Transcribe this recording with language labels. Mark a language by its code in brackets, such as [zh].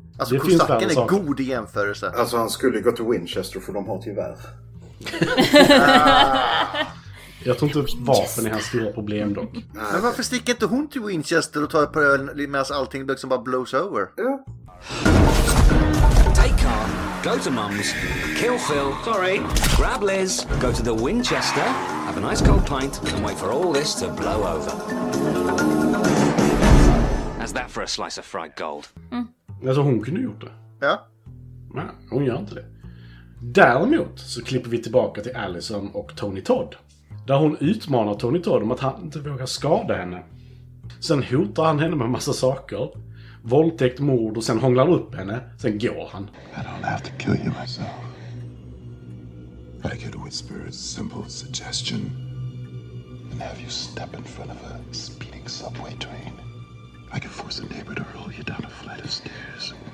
[sv] Alltså det kostacken är god i jämförelse. Alltså han skulle gå till Winchester, för de har tyvärr. Jag tror inte vapen är hans stora problem dock. Men varför sticker inte hon till Winchester och tar ett par öl medan allting liksom bara [en] blows over? [sv] Ja. [en] Take car, go to Mum's, kill Phil, sorry, grab Liz, go to the Winchester, have a nice cold pint, and wait for all this to blow over. How's that for a slice of fried gold? Mm. [sv] Alltså hon kunde gjort det. Ja. Nej, hon gör inte det. Däremot så klipper vi tillbaka till Allison och Tony Todd. Där hon utmanar Tony Todd om att han inte vågar skada henne. Sen hotar han henne med massa saker. Våldtäkt, mord och sen hånglar upp henne. Sen går han. [en] I don't have to kill you myself. I could whisper a simple suggestion and have you step in front of a speeding subway train. I could force a neighbor to roll you down a flight of stairs.